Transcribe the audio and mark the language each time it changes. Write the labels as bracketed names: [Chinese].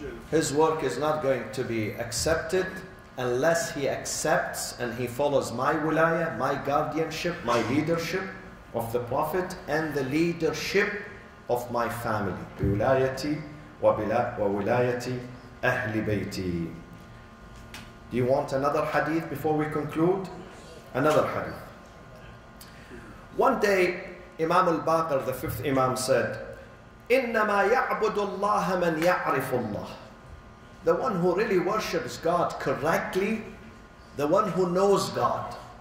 [English] His work is not going to be accepted unless he accepts and he follows my wilaya, my guardianship, my leadership of the Prophet and the leadership of my family. [Arabic] بولايتي وولايتي أهل بيتي. [English] Do you want another hadith before we conclude? Another hadith. One day, Imam al-Baqir, the fifth Imam, said, [Arabic] إِنَّمَا يَعْبُدُ اللَّهَ مَنْ يَعْرِفُ اللَّهَ. [English] The one who really worships God correctly, the one who knows God.